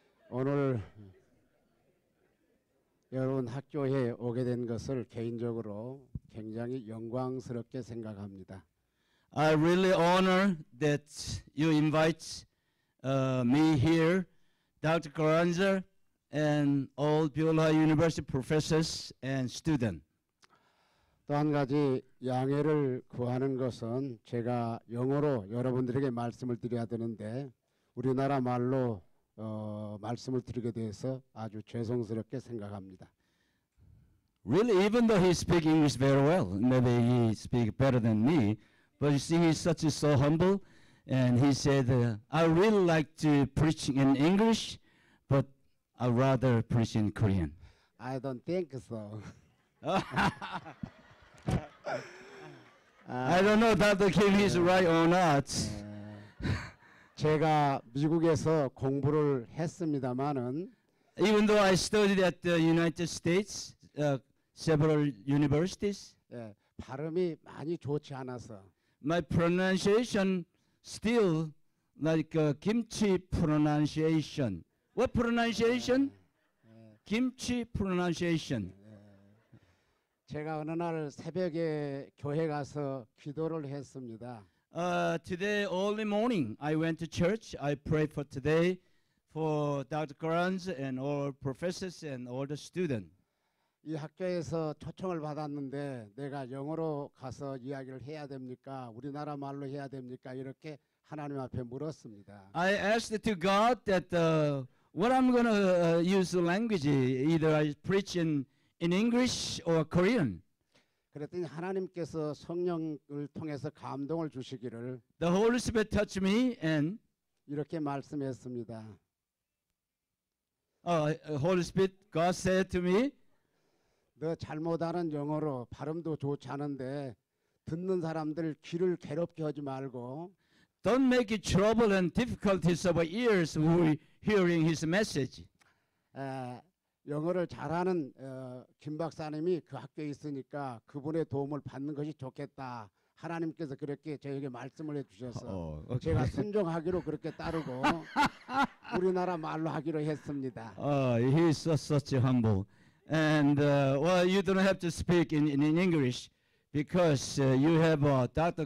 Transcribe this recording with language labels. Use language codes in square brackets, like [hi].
[ko] 오늘 여러분 학교에 오게 된 것을 개인적으로 굉장히 영광스럽게 생각합니다. [en] I really honor that you invite me here, Dr. Carranza, and all Beulah University professors and students. [ko] 또 한 가지 양해를 구하는 것은 제가 영어로 여러분들에게 말씀을 드려야 되는데 우리나라 말로 말씀을 드리게 돼서 아주 죄송스럽게 생각합니다. [en] Really, even though he speaks English very well, maybe he speaks better than me, but you see, he's such a so humble, and he said, I really like to preach in English, but I'd rather preach in Korean. I don't think so. I don't know if Dr. Kim is right or not. [ko] 제가 미국에서 공부를 했습니다만은 [en] Even though I studied at the United States, several universities, [ko] 예, 발음이 많이 좋지 않아서 [en] My pronunciation still like a kimchi pronunciation. What pronunciation? 김치 pronunciation. [ko] 제가 어느 날 새벽에 교회 가서 기도를 했습니다. [en] Today early morning I went to church. I prayed for today for Dr. Grant and all professors and all the students. [ko] 이 학교에서 초청을 받았는데 내가 영어로 가서 이야기를 해야 됩니까? 우리나라 말로 해야 됩니까? 이렇게 하나님 앞에 물었습니다. [en] I asked to God that what I'm going to use the language either I preach in English or Korean. [ko] 그랬더니 하나님께서 성령을 통해서 감동을 주시기를 [en] The Holy Spirit touched me and [ko] 이렇게 말씀했습니다. [en] Holy Spirit, God said to me [ko] 너 잘못하는 영어로 발음도 좋지 않은데 듣는 사람들 귀를 괴롭게 하지 말고 [en] Don't make it trouble and difficulties of our ears who are hearing his message. [ko] 영어를 잘하는 김 박사님이 그 학교에 있으니까 그분의 도움을 받는 것이 좋겠다. 하나님께서 그렇게 저에게 말씀을 해주셔서 okay. 제가 순종하기로 그렇게 따르고 우리나라 말로 하기로 했습니다. [en] He's so such a humble. And well, you don't have to speak in English because you have Dr.